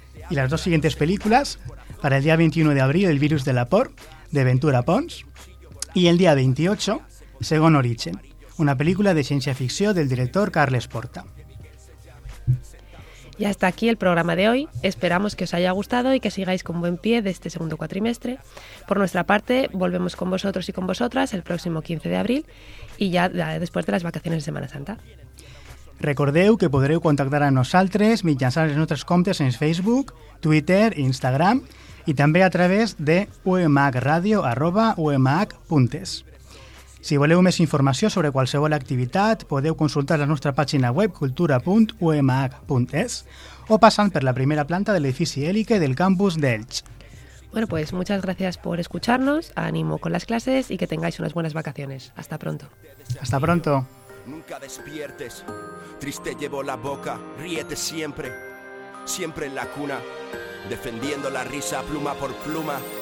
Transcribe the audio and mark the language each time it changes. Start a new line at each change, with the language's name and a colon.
Spanish: Y las 2 siguientes películas, para el día 21 de abril, El virus de la por, de Ventura Pons, y el día 28, Segon Origen, una película de ciencia ficción del director Carles Porta. Y hasta aquí el programa de hoy. Esperamos que os haya gustado y que sigáis con buen pie de este segundo cuatrimestre. Por nuestra parte, volvemos con vosotros y con vosotras el próximo 15 de abril y ya después de las vacaciones de Semana Santa.
Catalan: Recordeu que podreu contactar a nosaltres mitjançant els nostres comptes en Facebook, Twitter i Instagram, i també a través de umhradio@umh.es. Si voleu més informació sobre qualsevol activitat, podeu consultar la nostra pàgina web cultura.umh.es o passant per la primera planta de l'edifici Élique del campus d'Elx.
Spanish: Bueno, pues muchas gracias por escucharnos, ánimo con las clases y que tengáis unas buenas vacaciones. Hasta pronto. Hasta pronto. Nunca despiertes, triste llevo la boca, ríete siempre, siempre en la cuna, defendiendo la risa pluma por pluma.